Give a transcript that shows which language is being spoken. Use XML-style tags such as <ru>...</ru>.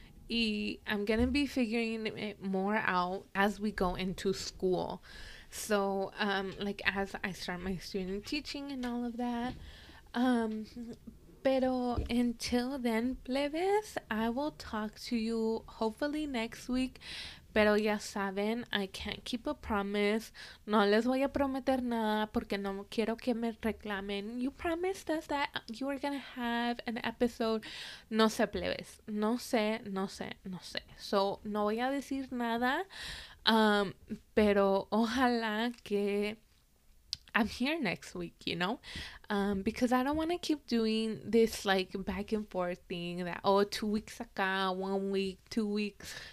<en>I'm gonna be figuring it more out as we go into school. So, like as I start my student teaching and all of that. Pero until then, plebes, I will talk to you hopefully next week.</en> <es>Pero ya saben,</es> <en>I can't keep a promise.</en> <es>No les voy a prometer nada porque no quiero que me reclamen.</es> <en>You promised us that you were gonna have an episode.</en> <es>No sé,</es> <en>plebes.</en> <es>No sé, no sé, no sé. So no voy a decir nada. Pero ojalá que</es> <en>I'm here next week, you know? Because I don't want to keep doing this like back and forth thing that, oh, 2 weeks ago, 1 week, 2 weeks.</en>